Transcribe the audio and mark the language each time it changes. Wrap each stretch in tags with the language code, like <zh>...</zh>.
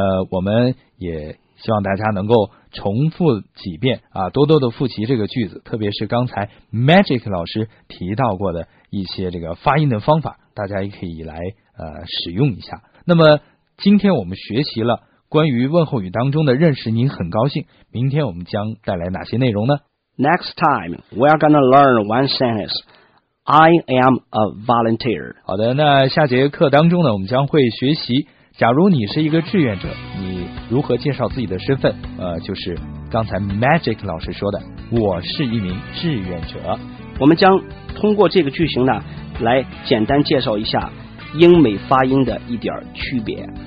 <zh>我们也希望大家能够重复几遍啊，多多的复习这个句子，特别是刚才 Magic 老师提到过的一些这个发音的方法，大家也可以来使用一下。那么今天我们学习了关于问候语当中的认识你很高兴，明天我们将带来哪些内容呢？</zh> <en>Next time, we are going to learn one sentence. I am a volunteer.</en> <zh>好的，那下节课当中呢，我们将会学习，假如你是一个志愿者，你如何介绍自己的身份，就是刚才 Magic 老师说的，我是一名志愿者。我们将通过这个句型呢，来简单介绍一下英美发音的一点区别。</zh>